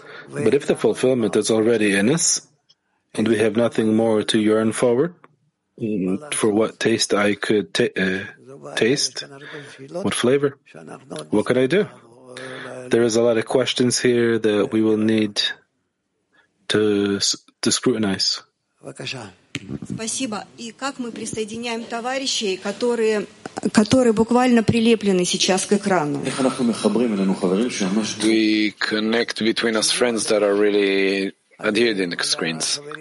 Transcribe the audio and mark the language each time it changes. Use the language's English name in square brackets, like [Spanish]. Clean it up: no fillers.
[English] But if the fulfillment is already in us, and we have nothing more to yearn forward, for what taste I could taste, what flavor, what could I do? There is a lot of questions here that we will need to scrutinize. [Russian] Спасибо. И как мы присоединяем товарищей, которые буквально прилеплены сейчас к экрану? [English] We connect between us friends that are really adhered in the screens.